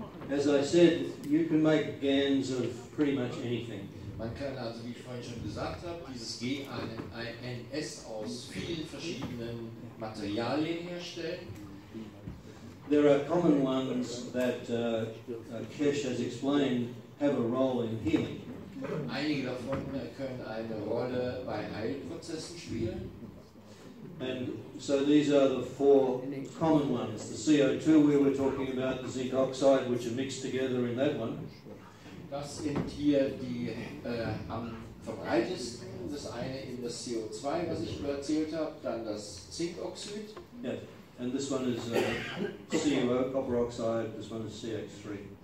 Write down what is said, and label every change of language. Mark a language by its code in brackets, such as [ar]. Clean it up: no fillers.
[en] As I said, you can make GANs of pretty much anything. [de] Man kann also, wie ich vorhin schon gesagt habe, dieses GANs aus vielen verschiedenen Materialien herstellen. [en] There are common ones that Kesh has explained have a role in healing. [de] Einige davon können eine Rolle bei Heilprozessen spielen. [en] And so these are the four common ones. The CO2 we were talking about, the zinc oxide, which are mixed together in that one. [de] Das sind hier die am verbreitetsten. Das eine in das CO2, was ich erzählt habe, dann das Zinkoxid. [en] Yeah. And this one is CO, copper oxide, this one is CH3.